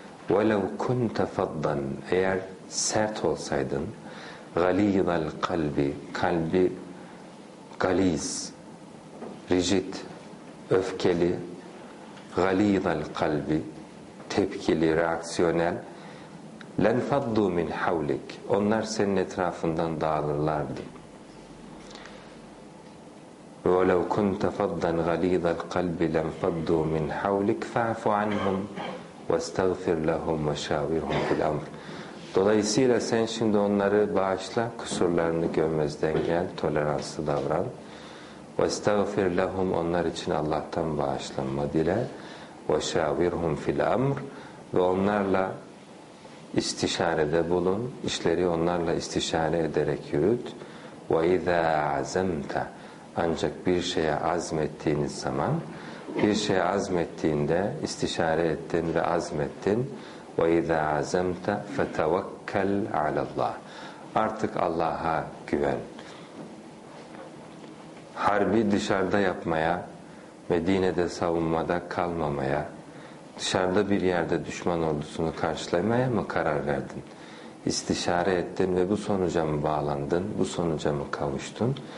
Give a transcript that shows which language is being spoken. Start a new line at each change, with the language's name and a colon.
Arabic: Velev kunte faddan.
Turkish: Eğer sert olsaydın, galîzel kalbi, kalbi galiz, rigid, öfkeli, galizel kalbi, tepkili, reaksiyonel,
Arabic: len faddu min havlik.
Turkish: Onlar senin etrafından dağılırlardı.
Arabic: ولو كنت فظا غليظ القلب لانفضوا من حولك فاعف عنهم واستغفر لهم وشاورهم في الأمر.
Turkish: Dolayısıyla sen şimdi onları bağışla, kusurlarını görmezden gel, toleranslı davran.
Arabic: وَاسْتَغْفِرْ لَهُمْ
Turkish: Onlar için Allah'tan bağışlanma dile.
Arabic: وَشَاوِرْهُمْ فِي الْأَمْرِ
Turkish: Ve onlarla istişarede bulun, işleri onlarla istişare ederek yürüt.
Arabic: وَاِذَا عَزَمْتَ
Turkish: Ancak bir şeye azmettiğiniz zaman, bir şeye azmettiğinde istişare ettin ve azmettin.
Arabic: وَاِذَا عَزَمْتَ فَتَوَكَّلْ عَلَى اللّٰهِ
Turkish: Artık Allah'a güven. Harbi dışarıda yapmaya, Medine'de savunmada kalmamaya, dışarıda bir yerde düşman ordusunu karşılamaya mı karar verdin? İstişare ettin ve bu sonuca mı bağlandın, bu sonuca mı kavuştun?